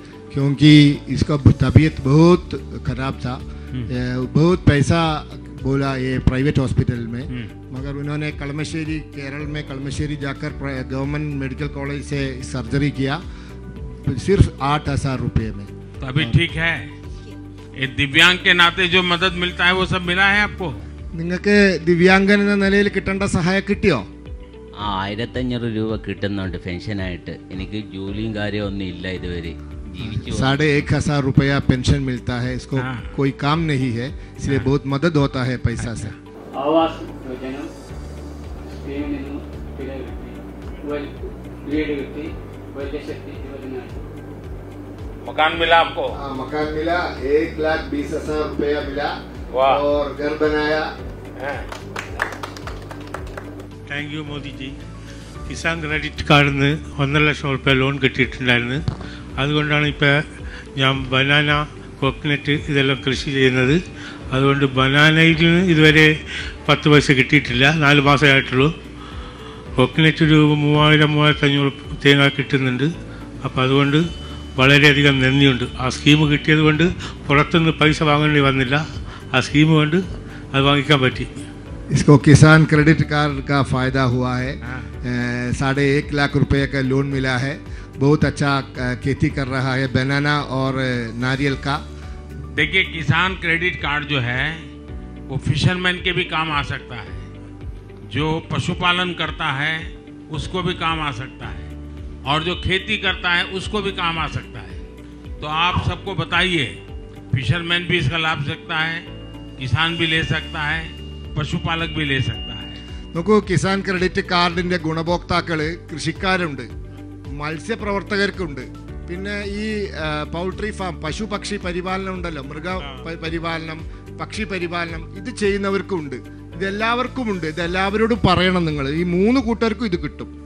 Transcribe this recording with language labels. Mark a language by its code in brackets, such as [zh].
[hi] ഖരാബ് बहुत पैसा बोला ये प्राइवेट हॉस्पिटल में मगर उन्होंने कलमशेरी केरल में कलमशेरी जाकर गवर्नमेंट मेडिकल कॉलेज से सर्जरी किया सिर्फ 8,000 रुपये में। तो अभी ठीक है एक दिव्यांग के नाते जो मदद मिलता है वो सब मिला है आपको [ml] നിങ്ങൾക്ക് ദിവ്യാംഗനെന്ന നിലയിൽ കിട്ടേണ്ട സഹായം കിട്ടിയോ 1,500 രൂപ കിട്ടുന്നുണ്ട് പെൻഷൻ ആയിട്ട് എനിക്ക് ജോലിയും കാര്യവും ഒന്നും ഇല്ല ഇതുവരെ [hi] 1,500 रुपया पेंशन मिलता है इसको कोई काम नहीं है इसलिए बहुत मदद होता है पैसा से। आवास योजना मकान मिला आपको? हाँ मकान मिला 1,20,000 रुपया मिला और घर बनाया। [en] Thank you Modi ji. [hi] किसान क्रेडिट कार्ड ने 1,50,000 रुपया लोन कटिटा [ml] അതുകൊണ്ടാണ് ഇപ്പോൾ ഞാൻ ബനാന കോക്കനട്ട് ഇതെല്ലാം കൃഷി ചെയ്യുന്നത് അതുകൊണ്ട് ബനാനയിൽ നിന്ന് ഇതുവരെ 10 പൈസ കിട്ടിയിട്ടില്ല 4 മാസമേ ആയിട്ടുള്ളൂ കോക്കനട്ട് ഒരു 3,000-3,500 തേങ്ങ കിട്ടുന്നുണ്ട് അപ്പോൾ അതുകൊണ്ട് വളരെയധികം നന്ദിയുണ്ട് ആ സ്കീം കിട്ടിയത് കൊണ്ട് പുറത്തുനിന്ന് പൈസ വാങ്ങേണ്ടി വന്നില്ല ആ സ്കീം കൊണ്ട് അത് വാങ്ങിക്കാൻ പറ്റി [hi] इसको किसान क्रेडिट कार्ड का फायदा हुआ है 1.5 लाख रुपये का लोन मिला है बहुत अच्छा खेती कर रहा है बनाना और नारियल का। देखिए किसान क्रेडिट कार्ड जो है वो फिशरमैन के भी काम आ सकता है जो पशुपालन करता है उसको भी काम आ सकता है और जो खेती करता है उसको भी काम आ सकता है तो आप सबको बताइए फिशरमैन भी इसका लाभ ले सकता है किसान भी ले सकता है [ml] പശുപാലക് നോക്കൂ കിസാൻ ക്രെഡിറ്റ് കാർഡിന്റെ ഗുണഭോക്താക്കള് കൃഷിക്കാരുണ്ട് മത്സ്യപ്രവർത്തകർക്കുണ്ട് പിന്നെ ഈ പൗൾട്രി ഫാം പശു പക്ഷി പരിപാലനം ഉണ്ടല്ലോ മൃഗ പരിപാലനം പക്ഷി പരിപാലനം ഇത് ചെയ്യുന്നവർക്കും ഉണ്ട് ഇതെല്ലാവർക്കും ഉണ്ട് ഇതെല്ലാവരോടും പറയണം നിങ്ങൾ ഈ 3 കൂട്ടർക്കും ഇത് കിട്ടും।